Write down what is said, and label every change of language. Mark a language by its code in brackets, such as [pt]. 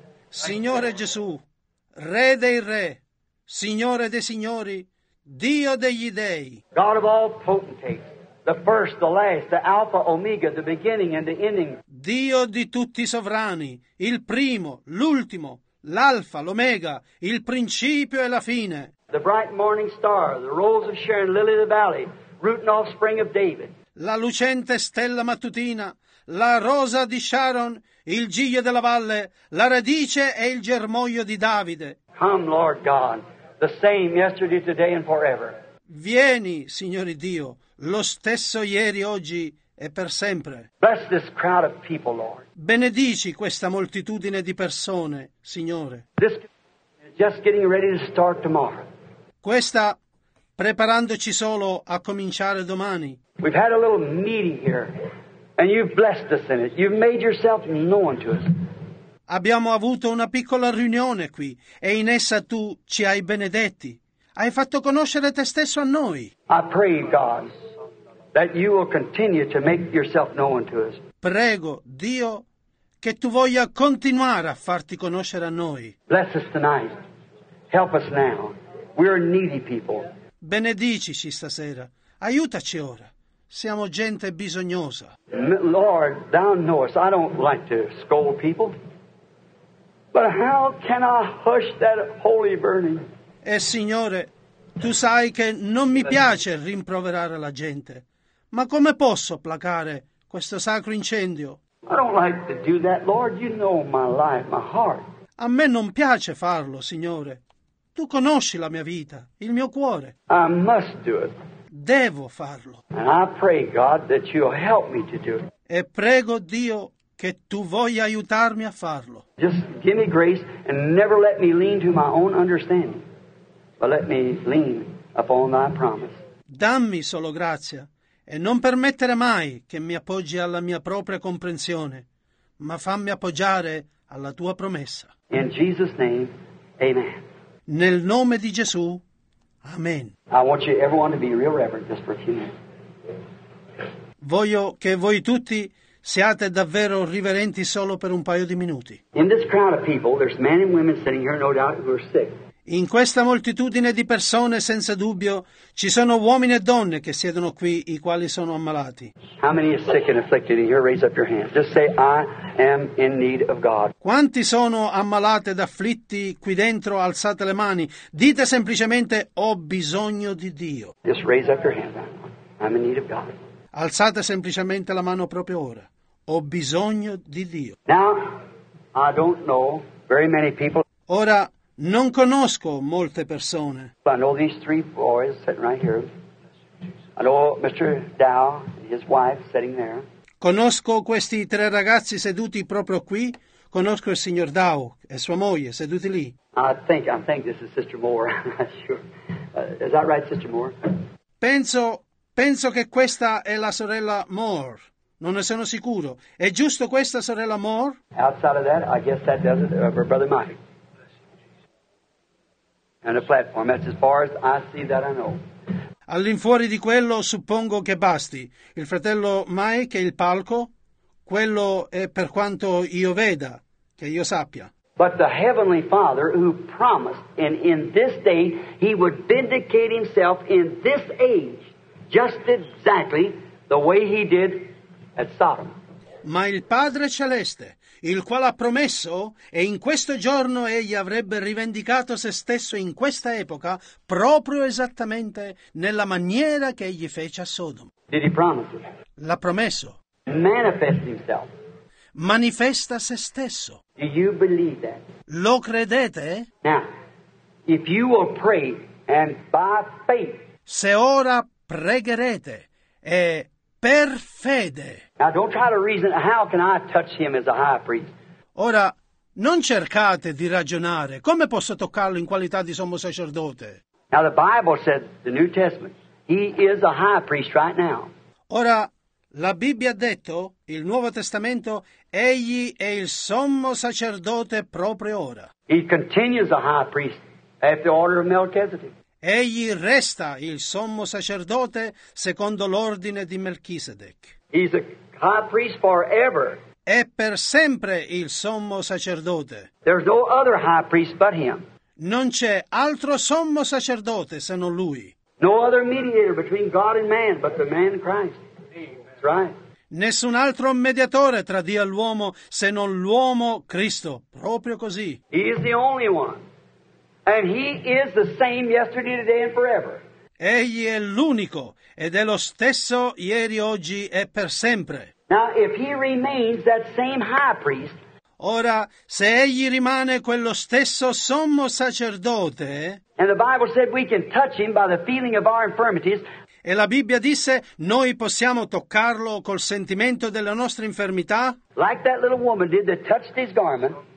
[it] Signore Gesù, Re dei Re, Signore dei Signori, Dio degli dei. [en] God of all potentates, the first, the last, the Alpha, Omega, the beginning and the ending. [it] Dio di tutti i sovrani, il primo, l'ultimo, l'Alfa, l'Omega, il principio e la fine. [en] The bright morning star, the rose of Sharon, lily of the valley, root and offspring of David. [it] La lucente stella mattutina, la rosa di Sharon, il giglio della valle, la radice e il germoglio di Davide. [en] Come, Lord God. The same yesterday, today, and forever. [it] Vieni, Signore Dio, lo stesso ieri, oggi e per sempre. [en] Bless this crowd of people, Lord. [it] Benedici questa moltitudine di persone, Signore. [en] This is just getting ready to start tomorrow. [it] Questa preparandoci solo a cominciare domani. [en] We've had a little meeting here, and you've blessed us in it. You've made yourself known to us. [it] Abbiamo avuto una piccola riunione qui e in essa tu ci hai benedetti. Hai fatto conoscere te stesso a noi. [en] I pray, God, that you will continue to make yourself known to us. [it] Prego, Dio, che tu voglia continuare a farti conoscere a noi. [en] Bless us tonight. Help us now. We are needy people. [it] Benedicici stasera. Aiutaci ora. Siamo gente bisognosa. [en] Lord, thou knowest, I don't like to scold people. But how can I hush that holy burning? [it] E Signore, tu sai che non mi piace rimproverare la gente, ma come posso placare questo sacro incendio? [en] I don't like to do that, Lord. You know my life, my heart. [it] A me non piace farlo, Signore. Tu conosci la mia vita, il mio cuore. [en] I must do it. [it] Devo farlo. [en] And I pray, God, that you'll help me to do it. [it] E prego Dio che tu voglia aiutarmi a farlo. [en] Just give me grace and never let me lean to my own understanding, but let me lean upon thy promise. [it] Dammi solo grazia e non permettere mai che mi appoggi alla mia propria comprensione, ma fammi appoggiare alla tua promessa. [en] In Jesus' name, amen. [it] Nel nome di Gesù, Amen. [en] I want you, everyone, to be real reverent just for a few minutes. [it] Voglio che voi tutti siate davvero riverenti solo per un paio di minuti. [en] In this crowd of people, there's men and women sitting here, no doubt, who are sick. [it] In questa moltitudine di persone, senza dubbio, ci sono uomini e donne che siedono qui, i quali sono ammalati. [en] How many are sick and afflicted in here? Raise up your hand. Just say, I am in need of God. [it] Quanti sono ammalati ed afflitti qui dentro? Alzate le mani. Dite semplicemente, ho bisogno di Dio. [en] Just raise up your hand. I'm in need of God. [it] Alzate semplicemente la mano proprio ora. Ho bisogno di Dio. [en] Now, I don't know very many people. [it] Ora, non conosco molte persone. [en] But I know these three boys sitting right here. I know Mr. Dow and his wife sitting there. [it] Conosco questi tre ragazzi seduti proprio qui. Conosco il signor Dow e sua moglie seduti lì. [en] I think this is Sister Moore. Sure. Is that right, Sister Moore? [it] Penso che questa è la sorella Moore. Non ne sono sicuro. È giusto questa sorella Moore? [en] Outside of that, I guess that does it. Her brother Mike. And a platform. That's as far as I see that I know. [it] All'infuori di quello, suppongo che basti. Il fratello Mike e il palco, quello è per quanto io veda, che io sappia. [en] But the Heavenly Father who promised, and in this day he would vindicate himself in this age, just exactly the way he did at Sodom. [it] Ma il Padre Celeste, il quale ha promesso, e in questo giorno egli avrebbe rivendicato se stesso in questa epoca, proprio esattamente nella maniera che egli fece a Sodom. [en] Did he promise it? [it] L'ha promesso. [en] Manifest himself. [it] Manifesta se stesso. [en] Do you believe that? [it] Lo credete? [en] Now, if you will pray and by faith. [it] Se ora pregherete e per fede. [en] Now don't try to reason, how can I touch him as a high priest? [it] Ora non cercate di ragionare come posso toccarlo in qualità di sommo sacerdote. [en] Now the Bible says, the New Testament, he is a high priest right now. [it] Ora la Bibbia ha detto, il Nuovo Testamento, egli è il sommo sacerdote proprio ora. [en] He continues a high priest after the order of Melchizedek. [it] Egli resta il sommo sacerdote secondo l'ordine di Melchisedec. [en] He's a high priest forever. [it] È per sempre il sommo sacerdote. [en] There's no other high priest but him. [it] Non c'è altro sommo sacerdote se non lui. [en] No other mediator between God and man but the man Christ. That's right. [it] Nessun altro mediatore tra Dio e l'uomo se non l'uomo Cristo. Proprio così. [en] He is the only one. And he is the same yesterday, today, and forever. [it] Egli è l'unico ed è lo stesso ieri, oggi e per sempre. [en] Now, if he remains that same high priest. [it] Ora, se egli rimane quello stesso sommo sacerdote. [en] And the Bible said we can touch him by the feeling of our infirmities. [it] E la Bibbia disse noi possiamo toccarlo col sentimento delle nostre infermità. [en] Like that little woman did that touched his garment.